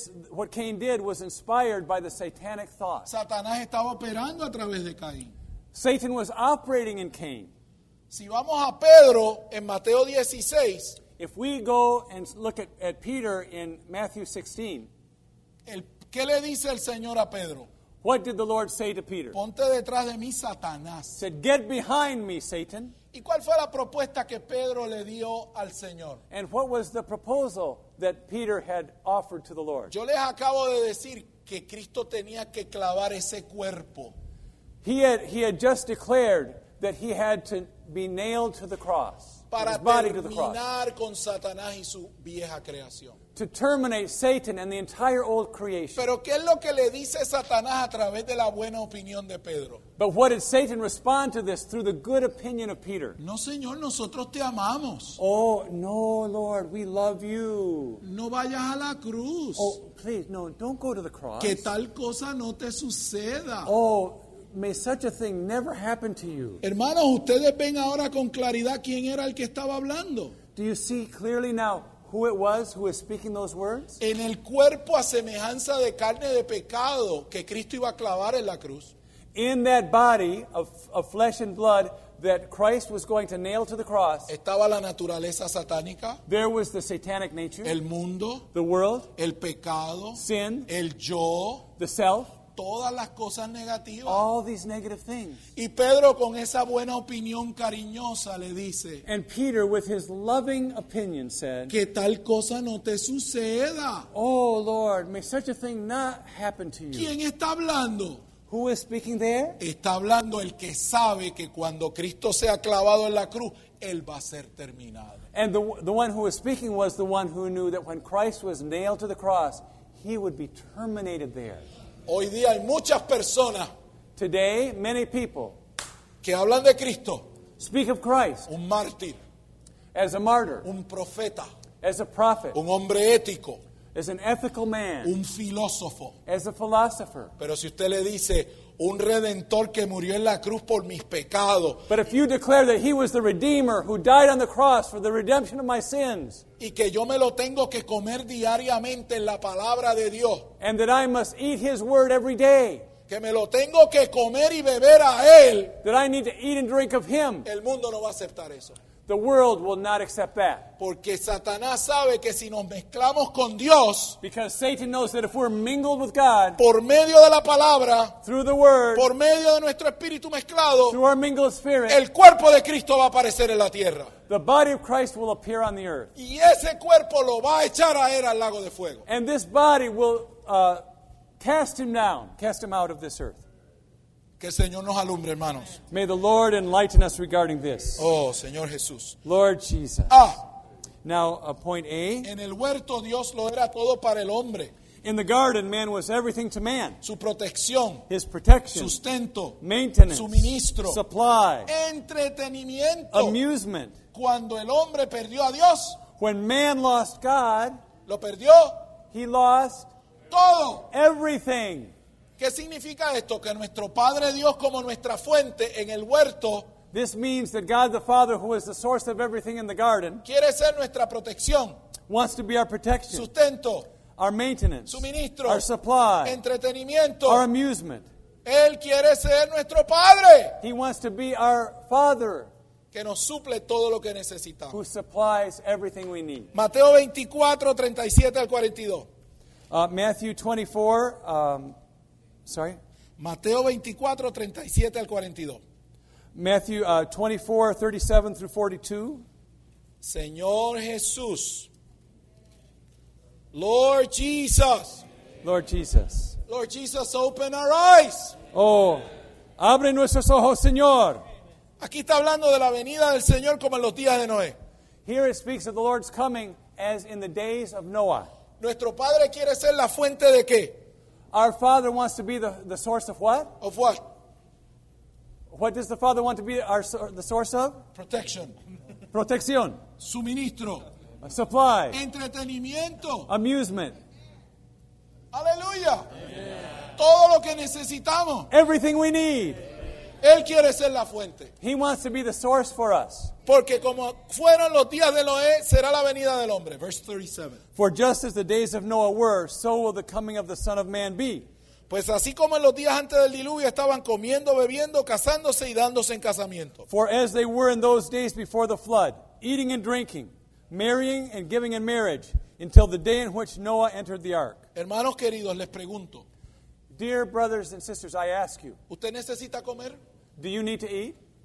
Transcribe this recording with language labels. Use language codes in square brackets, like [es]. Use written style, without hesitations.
[en] What Cain did was inspired by the satanic thought. [es] Satanás estaba operando a través de Caín. [en] Satan was operating in Cain. [es] Si vamos a Pedro en Mateo 16, [en] if we go and look at Peter in Matthew 16, [es] ¿qué le dice el Señor a Pedro? [en] What did the Lord say to Peter? [es] Ponte detrás de mí, Satanás. [en] Said, get behind me, Satan. [es] ¿Y cuál fue la propuesta que Pedro le dio al Señor? [en] And what was the proposal that Peter had offered to the Lord. [es] Yo les acabo de decir que Cristo tenía que clavar ese cuerpo. [en] He had just declared that he had to be nailed to the cross. [es] Para terminar con Satanás y su vieja creación. [en] To terminate Satan and the entire old creation. [es] Pero ¿qué es lo que le dice Satanás a través de la buena opinión de Pedro? [en] But what did Satan respond to this through the good opinion of Peter? [es] No, Señor, nosotros te amamos. [en] Oh, no, Lord, we love you. [es] No vayas a la cruz. [en] Oh, please, no, don't go to the cross. [es] Que tal cosa no te suceda. [en] Oh, may such a thing never happen to you. [es] Hermanos, ustedes ven ahora con claridad quién era el que estaba hablando. [en] Do you see clearly now who it was who was speaking those words? [es] En el cuerpo a semejanza de carne de pecado que Cristo iba a clavar en la cruz. [en] In that body of flesh and blood that Christ was going to nail to the cross. [es] Estaba la naturaleza satánica. [en] There was the satanic nature. [es] El mundo. [en] The world. [es] El pecado. [en] Sin. [es] El yo. [en] The self. [es] Todas las cosas negativas. [en] All these negative things. [es] Y Pedro con esa buena opinión cariñosa le dice. [en] And Peter with his loving opinion said. [es] Que tal cosa no te suceda. [en] Oh Lord, may such a thing not happen to you. [es] ¿Quién está hablando? [en] Who is speaking there? [es] Está hablando el que sabe que cuando Cristo sea clavado en la cruz, él va a ser terminado. [en] And the one who was speaking was the one who knew that when Christ was nailed to the cross, he would be terminated there. [es] Hoy día hay muchas personas. [en] Today, many people. [es] Que hablan de Cristo. [en] Speak of Christ. [es] Un mártir. [en] As a martyr. [es] Un profeta. [en] As a prophet. [es] Un hombre ético. [en] As an ethical man. [es] Un filósofo. [en] As a philosopher. [es] Pero si usted le dice, un redentor que murió en la cruz por mis pecados. [en] But if you declare that he was the redeemer who died on the cross for the redemption of my sins. [es] Y que yo me lo tengo que comer diariamente en la palabra de Dios. [en] And that I must eat his word every day. [es] Que me lo tengo que comer y beber a él. [en] That I need to eat and drink of him. [es] El mundo no va a aceptar eso. [en] The world will not accept that. [es] Porque Satanás sabe que si nos mezclamos con Dios. [en] Because Satan knows that if we're mingled with God. [es] Por medio de la palabra. [en] Through the word. [es] Por medio de nuestro espíritu mezclado. [en] Through our mingled spirit. [es] El cuerpo de Cristo va a aparecer en la tierra. [en] The body of Christ will appear on the earth. [es] Y ese cuerpo lo va a echar a él al lago de fuego. [en] And this body will cast him down. Cast him out of this earth. [es] Que el Señor nos alumbre, hermanos. [en] May the Lord enlighten us regarding this. [es] Oh, Señor Jesús. [en] Lord Jesus. Ah. Now, point A. [es] En el huerto, Dios lo era todo para el hombre. [en] In the garden, man was everything to man. [es] Su protección. [en] His protection. [es] Sustento. [en] Maintenance. [es] Suministro. [en] Supply. [es] Entretenimiento. [en] Amusement. [es] Cuando el hombre perdió a Dios. [en] When man lost God. [es] Lo perdió. [en] He lost. [es] Todo. [en] Everything. [es] ¿Qué significa esto? Que nuestro Padre Dios como nuestra fuente en el huerto. [en] This means that God the Father, who is the source of everything in the garden. [es] Quiere ser nuestra protección. [en] Wants to be our protection. [es] Sustento. [en] Our maintenance. [es] Suministro. [en] Our supply. [es] Entretenimiento. [en] Our amusement. [es] Él quiere ser nuestro Padre. [en] He wants to be our Father. [es] Que nos suple todo lo que necesitamos. [en] Who supplies everything we need. [es] Mateo 24, 37 al 42. [en] Matthew 24, sorry. [es] Mateo 24, 37 al 42. [en] Matthew 24, 37 through 42. [es] Señor Jesús. [en] Lord Jesus. Lord Jesus. Lord Jesus, open our eyes. [es] Oh, abre nuestros ojos, Señor. Aquí está hablando de la venida del Señor como en los días de Noé. [en] Here it speaks of the Lord's coming as in the days of Noah. [es] Nuestro Padre quiere ser la fuente de qué? [en] Our Father wants to be the source of what? Of what? What does the Father want to be the source of? Protection. [es] Protección. Suministro. [en] A supply. [es] Entretenimiento. [en] Amusement. [es] Aleluya. Yeah. Todo lo que necesitamos. [en] Everything we need. [es] Él quiere ser la fuente. [en] He wants to be the source for us. [es] Porque como fueron los días de Noé, será la venida del hombre. [en] Verse 37. For just as the days of Noah were, so will the coming of the Son of Man be. [es] Pues así como en los días antes del diluvio estaban comiendo, bebiendo, casándose y dándose en casamiento. [en] For as they were in those days before the flood, eating and drinking, marrying and giving in marriage, until the day in which Noah entered the ark. [es] Hermanos queridos, les pregunto. [en] Dear brothers and sisters, I ask you. [es] ¿Usted necesita comer? [en] Do you need to eat?